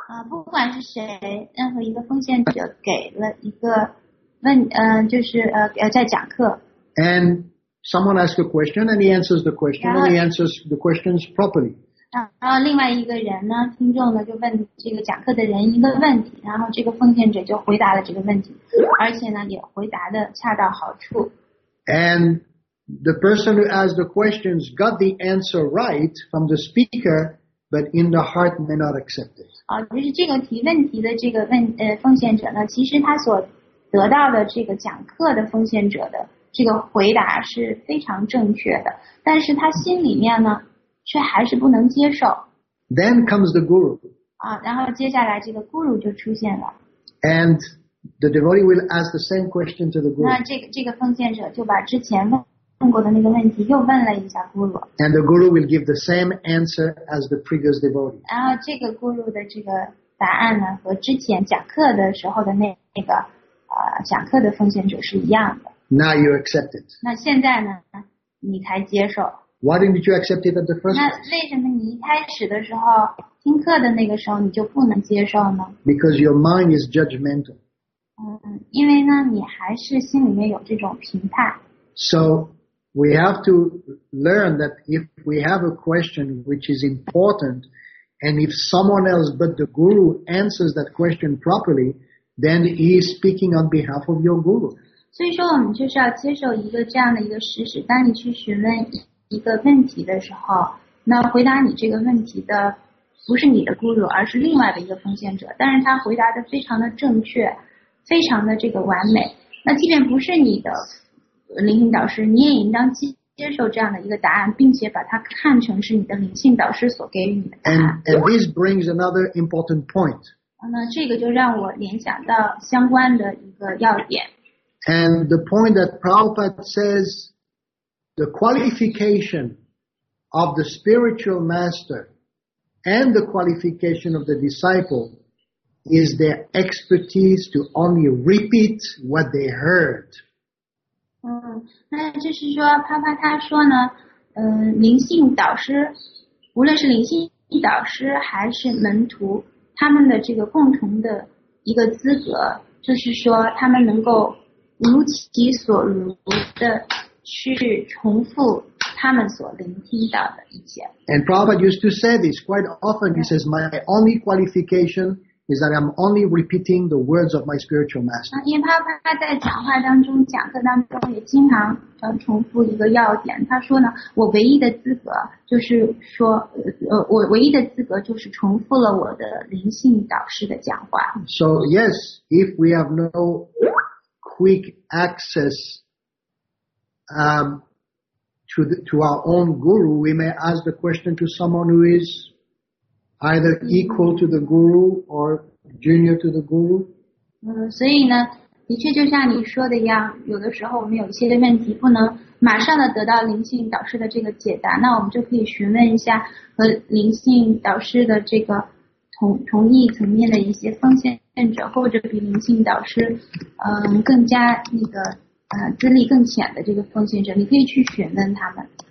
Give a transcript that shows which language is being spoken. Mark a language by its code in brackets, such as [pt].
[zh] 不管是谁，任何一个奉献者给了一个问，就是在讲课。 [en] And someone asks a question, and he answers the question, and he answers the questions properly. [zh] 然后另外一个人呢，听众呢，就问这个讲课的人一个问题，然后这个奉献者就回答了这个问题，而且呢，也回答的恰到好处。 [en] And the person who asked the questions got the answer right from the speaker, but in the heart may not accept it. [zh] 就是这个提问题的这个奉献者呢，其实他所得到的这个讲课的奉献者的这个回答是非常正确的，但是他心里面呢，却还是不能接受。 [en] Then comes the guru. [zh] 然后接下来这个 guru 就出现了。 [en] And the devotee will ask the same question to the guru. [zh] 那这个奉献者就把之前问过的那个问题又问了一下 guru， [en] and the guru will give the same answer as the previous devotee。 [zh] 然后这个 guru 的这个答案呢，和之前讲课的时候的那个讲课的奉献者是一样的。 [en] Now you accept it。 [zh] 那现在呢，你才接受。 [en] Why didn't you accept it at the first place？ [zh] 那为什么你一开始的时候听课的那个时候你就不能接受呢 [en] ？Because your mind is judgmental。 [zh] 因为呢，你还是心里面有这种评判。 [en] So。 We have to learn that if we have a question which is important, and if someone else but the guru answers that question properly, then he is speaking on behalf of your guru. [zh] 所以说我们就是要接受一个这样的一个事实，当你去询问一个问题的时候，那回答你这个问题的不是你的 guru， 而是另外的一个奉献者，但是他回答的非常的正确，非常的这个完美。那即便不是你的灵性导师，你也应当接受这样的一个答案，并且把它看成是你的灵性导师所给予你的答案。 [en] And this brings another important point. [zh] 那这个就让我联想到相关的一个要点。 [en] And the point that Prabhupada says, the qualification of the spiritual master and the qualification of the disciple is their expertise to only repeat what they heard. [zh] 那就是说帕帕他说呢灵性导师无论是灵性导师还是门徒他们的这个共同的一个资格就是说他们能够如其所如的去重复他们所聆听到的一切。 [en] And Prabhupada used to say this quite often. He says, my only qualification is that I'm only repeating the words of my spiritual master. [zh] 因为他在讲话当中讲课当中也经常要重复一个要点，他说呢，我唯一的资格就是说，我唯一的资格就是重复了我的灵性导师的讲话。 [en] So yes, if we have no quick access to our own guru, we may ask the question to someone who is either equal to the guru or junior to the guru. [zh] 所以呢，的确就像你说的一样，有的时候我们有一些问题不能马上的得到灵性导师的这个解答，那我们就可以询问一下和灵性导师的这个同意层面的一些奉献者，或者比灵性导师更加那个资历更浅的这个奉献者，你可以去询问他们。